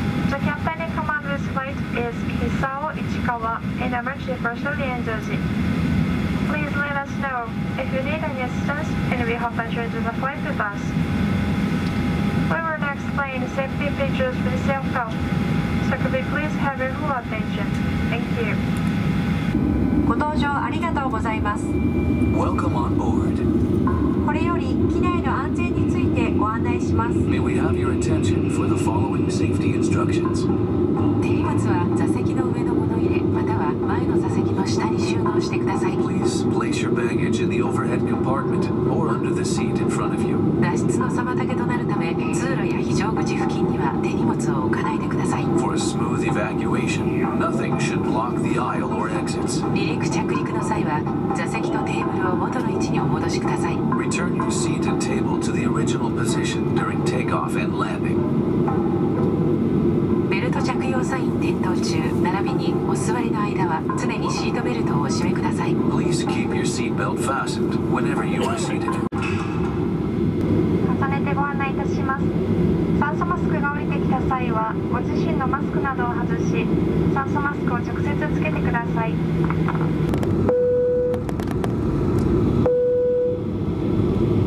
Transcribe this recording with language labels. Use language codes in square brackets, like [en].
[en] The captain in command of this flight is Hisao Ichikawa, an emergency person in Endoji. Please let us know if you need any assistance and we hope that you enjoy the flight with us. We will now explain safety features for the cellphone, so could we please have your full attention? Thank you. [ja] ご搭乗ありがとうございます。 [en] Welcome on board. [ja] これより機内の安全についてご案内します。 [en] May we have your attention for the following safety instructions. [ja] 手荷物は座席の上の物入れ、または前の座席の下に収納してください。 [en] Please place your baggage in the overhead compartment or under the seat in front of you. [ja] 脱出の妨げとなるため、通路や非常口付近には手荷物を置かないでください。 [en] For a smooth evacuation, nothing should block the aisle or exits. [ja] 離陸着陸の際は、座席とテーブルを元の位置にお戻しください。 [en] Return your seat and table to the original position during takeoff and landing. [ja] 着用サイン点灯中並びにお座りの間は常にシートベルトをお締めください。 [en] Please keep your seat belt fastened whenever you are seated. [ja] 重ねてご案内いたします。酸素マスクが降りてきた際はご自身のマスクなどを外し酸素マスクを直接つけてください。